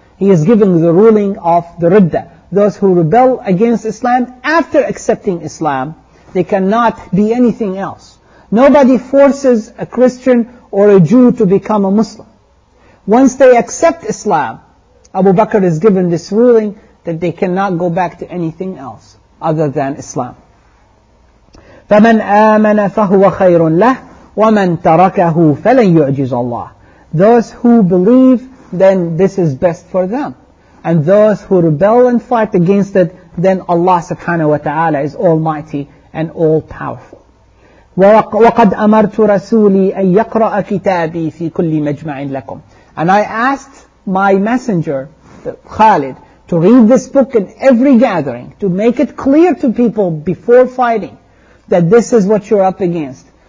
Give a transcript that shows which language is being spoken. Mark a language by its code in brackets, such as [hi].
[en] He is given the ruling of the Riddah. Those who rebel against Islam, after accepting Islam, they cannot be anything else. Nobody forces a Christian or a Jew to become a Muslim. Once they accept Islam, Abu Bakr is given this ruling that they cannot go back to anything else other than Islam. [ar] فَمَنْ آمَنَ فَهُوَ خَيْرٌ لَهُ وَمَنْ تَرَكَهُ فَلَنْ يُعْجِزَ اللَّهِ [en] Those who believe, then this is best for them. And those who rebel and fight against it, then Allah subhanahu wa ta'ala is almighty and all-powerful. [ar] وَقَدْ أَمَرْتُ رَسُولِي أَن يَقْرَأَ كِتَابِي فِي كُلِّ مَجْمَعٍ لَكُمْ [en] And I asked my messenger, Khalid, to read this book in every gathering, to make it clear to people before fighting that this is what you're up against.